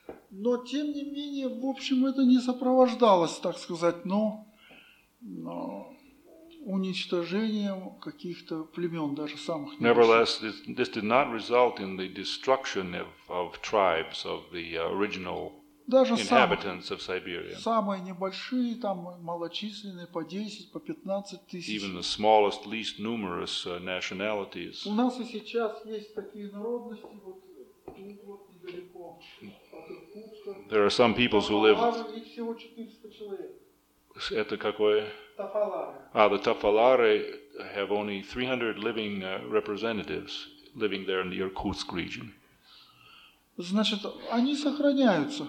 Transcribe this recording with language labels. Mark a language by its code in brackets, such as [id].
[ru] Но тем не менее, в общем, это не сопровождалось, так сказать, но уничтожением каких-то племен, даже самых небольших. [en] Nevertheless, this did not result in the destruction of tribes of the original [ru] даже [en] inhabitants of Siberia. [ru] Самые небольшие, там, малочисленные, по 10, по 15 тысяч. [en] Even the smallest, least numerous nationalities. [ru] У нас и сейчас есть такие народности, вот, тут вот недалеко, от Иркутска. [en] There are some peoples who live... [ru] Их всего 400 человек. Это какое? Тафалары. [en] Ah, the Tafalari have only 300 living representatives living there in the Irkutsk region. [ru] Значит, они сохраняются.